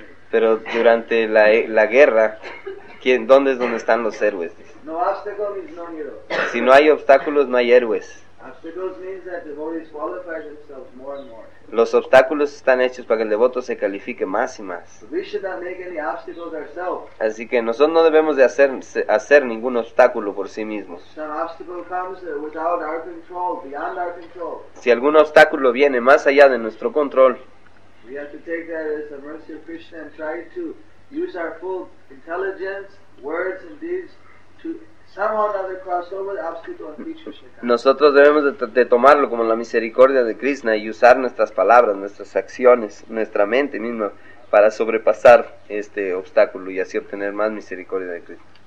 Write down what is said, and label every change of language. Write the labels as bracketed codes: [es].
[es] Pero durante la guerra, ¿dónde es donde están los héroes? [en] No obstacle means no hero. [es] Si no hay obstáculos, no hay héroes. [en] Obstacles means that devotees qualify themselves more and more. [es] Los obstáculos están hechos para que el devoto se califique más y más. [en] We should not make any obstacles ourselves. [es] Así que nosotros no debemos de hacer ningún obstáculo por sí mismos. [en] Some obstacle comes without our control, beyond our control. [es] Si algún obstáculo viene más allá de nuestro control, [en] we have to take that as the mercy of Krishna and try to use our full intelligence, words and deeds to somehow or another cross over the obstacle and teach Krishna. [es] Nosotros debemos de tomarlo como la misericordia de Krishna y usar nuestras palabras, nuestras acciones, nuestra mente misma para sobrepasar este obstáculo y así obtener más misericordia de Krishna.